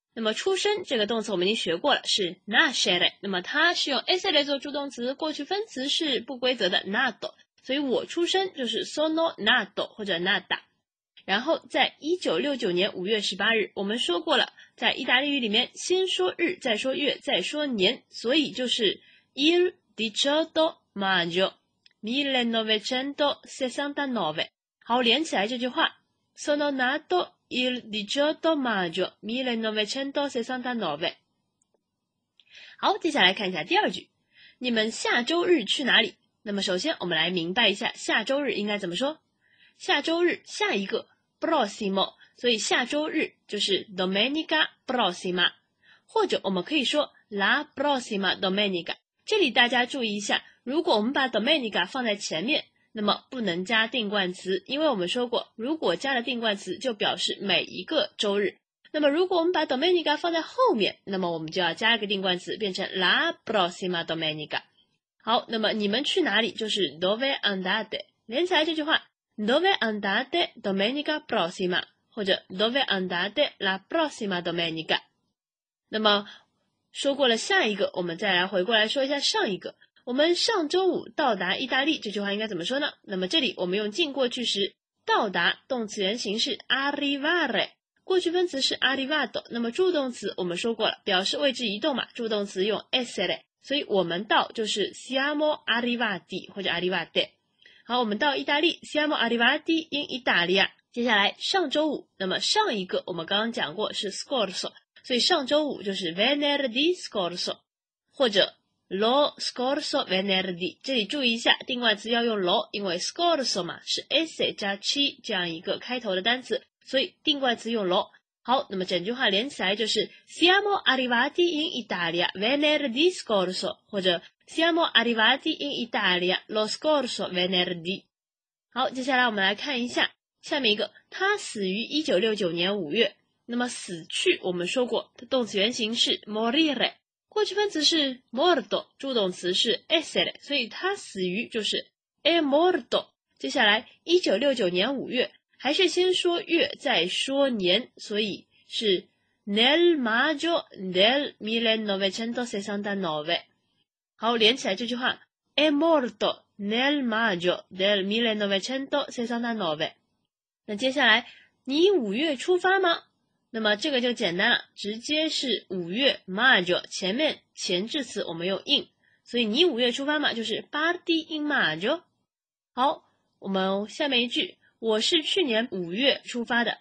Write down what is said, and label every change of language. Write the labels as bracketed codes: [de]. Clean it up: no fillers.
[zh] 那么出生这个动词我们已经学过了，是 nascere， 那么它是用 essere 做助动词，过去分词是不规则的 nato， 所以我出生就是 [it] sono nato [zh] 或者 nada。然后在1969年5月18日，我们说过了，在意大利语里面先说日再说月再说年，所以就是 [it] il 18 maggio 1969。 [zh] 好，连起来这句话， [it] sono nato il 18 maggio 1969。 [zh] 好，接下来看一下第二句，你们下周日去哪里？那么首先我们来明白一下下周日应该怎么说。下周日下一个 prossimo， 所以下周日就是 [it] domenica prossima， [zh] 或者我们可以说 [it] la prossima domenica。 [zh] 这里大家注意一下，如果我们把 domenica 放在前面，那么不能加定冠词，因为我们说过，如果加了定冠词就表示每一个周日。那么如果我们把 Domenica 放在后面，那么我们就要加一个定冠词，变成 La prossima Domenica。好，那么你们去哪里就是 [it] Dove andate， [zh] 连起来这句话， [it] Dove andate Domenica prossima， [zh] 或者 [it] Dove andate la prossima Domenica。 [zh] 那么说过了下一个，我们再来回过来说一下上一个，我们上周五到达意大利，这句话应该怎么说呢？那么这里我们用近过去时到达，动词原形是 arrivare， 过去分词是 arrivato， 那么助动词我们说过了，表示位置移动嘛，助动词用 essere， 所以我们到就是 [it] siamo arrivati [zh] 或者 arrivate。好，我们到意大利， [it] siamo arrivati in Italia。 [zh] 接下来上周五，那么上一个我们刚刚讲过是 scorso， 所以上周五就是 [it] venerdì scorso， [zh] 或者 [it] lo scorso venerdì。 [zh] 这里注意一下定冠词要用 lo， 因为 scorso 嘛是 esse 加 chi 这样一个开头的单词，所以定冠词用 lo。好，那么整句话连起来就是 [it] siamo arrivati in Italia venerdì scorso， [zh] 或者 [it] siamo arrivati in Italia lo scorso venerdì。 [zh] 好，接下来我们来看一下下面一个，他死于1969年5月。那么死去我们说过，动词原形是 morire，过去分词是 morto， 助动词是 essere， 所以他死于就是 [it] è morto。 [zh] 接下来1969年5月，还是先说月再说年，所以是 [it] nel maggio del 1969。 [zh] 好，连起来这句话， [it] è morto nel maggio del 1969。 [zh] 那接下来你五月出发吗？那么这个就简单了，直接是五月 maggio， 前面前置词我们用 in， 所以你五月出发嘛，就是 [it] parti in maggio。 [zh] 好，我们下面一句，我是去年五月出发的。